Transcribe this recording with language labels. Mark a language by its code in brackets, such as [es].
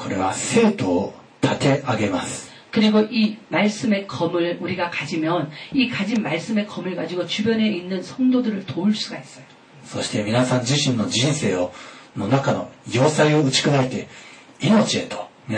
[ja] そしてなおかつこれは生徒を立て上げます。 [ko] 그리고 이 말씀의 검을 우리가 가지면 이 가진 말씀의 검을 가지고 주변에 있는 성도들을 도울 수가 있어요. [ja] そして皆さん自身の人生の中の要塞を打ち砕いて命へと